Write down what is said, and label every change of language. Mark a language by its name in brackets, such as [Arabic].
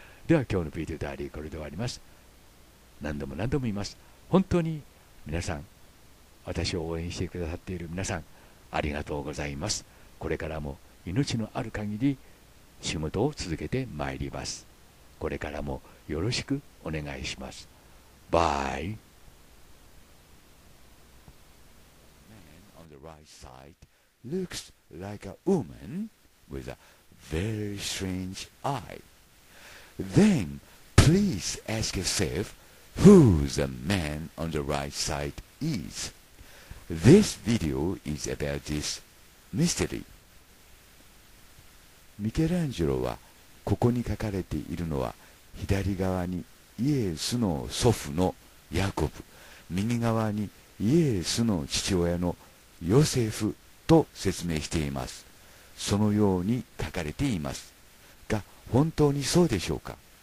[Japanese] では今日のビデオダーリー、これで終わります。何度も言います。本当に皆さん、私を応援してくださっている皆さん、ありがとうございます。これからも命のある限り仕事を続けてまいります。これからもよろしくお願いします。バイ。 [English] Man on the right side looks like a woman with a very strange eye. Then please ask yourself who the man on the right side is. This video is about this mystery. [Japanese] ミケランジェロはここに書かれているのは左側にイエスの祖父のヤコブ、右側にイエスの父親のヨセフと説明しています。そのように書かれています。が本当にそうでしょうか？